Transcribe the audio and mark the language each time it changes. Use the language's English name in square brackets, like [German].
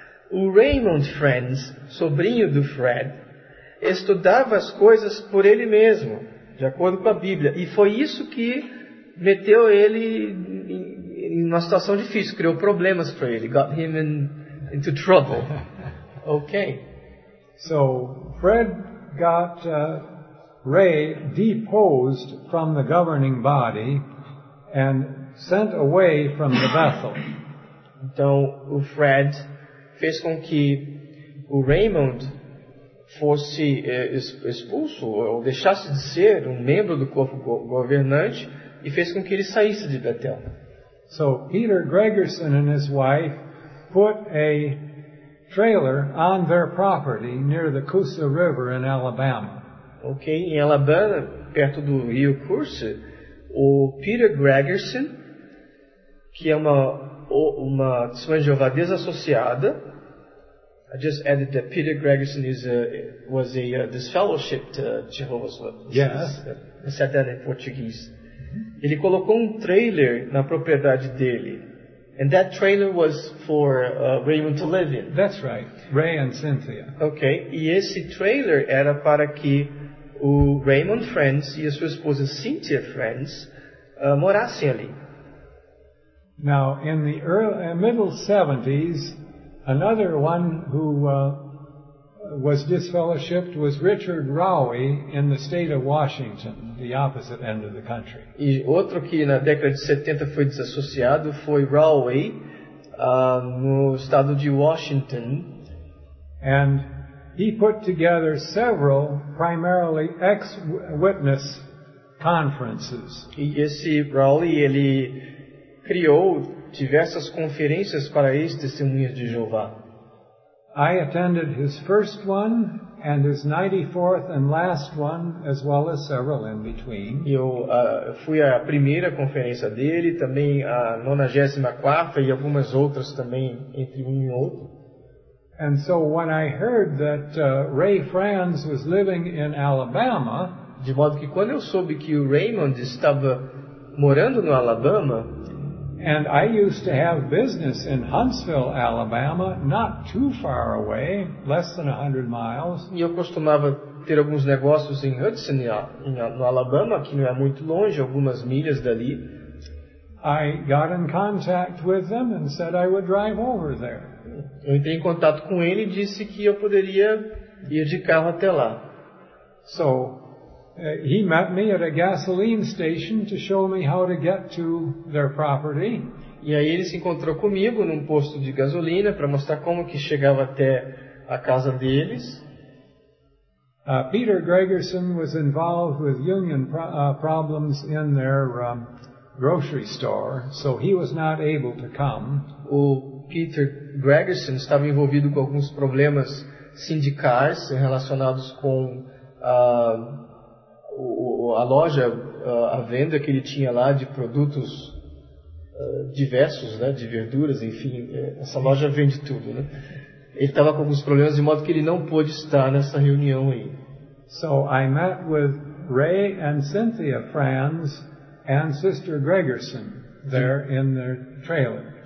[Portuguese] O Raymond Franz, sobrinho do Fred, estudava as coisas por ele mesmo, de acordo com a Bíblia. E foi isso que meteu ele em uma situação difícil, criou problemas para ele. [English] Got him into trouble. Okay. So, Fred got Ray deposed from the governing body and sent away from the Bethel. [Portuguese] Então, o Fred fez com que o Raymond fosse expulso ou deixasse de ser um membro do corpo governante e fez com que ele saísse de Betel. [English] So Peter Gregerson and his wife put a trailer on their property near the Coosa River in Alabama. [Portuguese] Okay, em Alabama, perto do Rio Coosa, o Peter Gregerson, que é uma testemunha de Jeová desassociada. [English] I just added that Peter Gregerson was a disfellowshipped Jehovah's Witness. Yes. I said that in Portuguese. [Portuguese] Mm-hmm. Ele colocou trailer na propriedade dele. [English] And that trailer was for Raymond to live in. That's right. Ray and Cynthia. [Portuguese] Okay. E esse trailer era para que o Raymond Friends e a sua esposa Cynthia Friends morassem ali. [English] Now, in the early, middle 70s, another one who was disfellowshipped was Richard Rowe in the state of Washington, the opposite end of the country. [Portuguese] E outro que na década de 70 foi desassociado foi Rowe no estado de Washington. [English] And he put together several primarily ex-witness conferences. [Portuguese] E esse Rowe, ele criou diversas conferências para ex-testemunhas de Jeová. [English] I attended his first one and his 94th and last one, as well as several in between. [Portuguese] Eu fui à primeira conferência dele, também a 94ª e algumas outras também entre um e outro. [English] And so when I heard that Ray Franz was living in Alabama, [Portuguese] de modo que quando eu soube que o Raymond estava morando no Alabama, [English] and I used to have business in Huntsville, Alabama, not too far away, less than 100 miles. [Portuguese] E eu costumava ter alguns negócios em Hudson, no Alabama, que não é muito longe, algumas milhas dali. [English] I got in contact with them and said I would drive over there. [Portuguese] Eu entrei em contato com ele e disse que eu poderia ir de carro até lá. [English] So, he met me at a gasoline station to show me how to get to their property. [Portuguese] E aí ele se encontrou comigo num posto de gasolina para mostrar como que chegava até a casa deles. [English] Peter Gregerson was involved with union problems in their grocery store, so he was not able to come. [Portuguese] O Peter Gregerson estava envolvido com alguns problemas sindicais relacionados com a loja, a venda que ele tinha lá de produtos diversos, né, de verduras, enfim, essa loja vende tudo, né? Ele estava com alguns problemas, de modo que ele não pôde estar nessa reunião aí. [English] So I met with Ray and Cynthia Franz and Sister Gregerson there in their trailer.